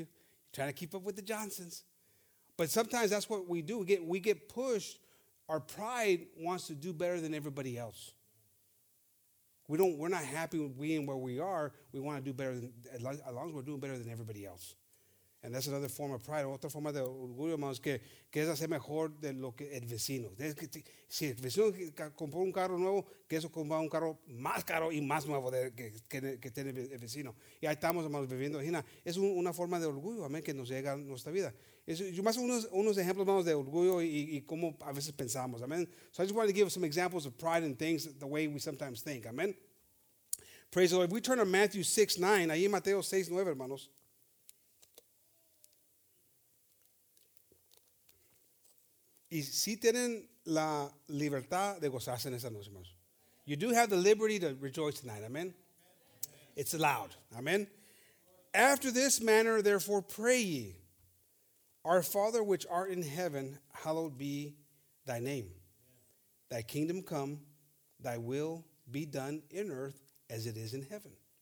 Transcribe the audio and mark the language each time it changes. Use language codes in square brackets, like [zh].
[en] You're trying to keep up with the Johnsons. But sometimes that's what we do. We get pushed. Our pride wants to do better than everybody else. We're not happy with being where we are. We want to do better as long as we're doing better than everybody else. And that's another form of pride. [es] Otra forma de orgullo, hermanos, que quieres hacer mejor de lo que el vecino. Si el vecino compró un carro nuevo, quieres comprar un carro más caro y más nuevo que tiene el vecino. Y ahí estamos, hermanos, viviendo. Es una forma de orgullo, amén, que nos llega a nuestra vida. Yo más unos ejemplos, hermanos, de orgullo y cómo a veces pensamos, amén. [en] So I just wanted to give some examples of pride and things the way we sometimes think, amén. Praise the Lord. If we turn to Matthew 6:9, [es] ahí en Mateo 6:9, hermanos. Y si tienen la libertad de gozarse en esta noche, hermanos. [en] You do have the liberty to rejoice tonight, amen? It's allowed, amen? After this manner, therefore, pray ye. Our Father, which art in heaven, hallowed be thy name. Thy kingdom come, thy will be done in earth as it is in heaven.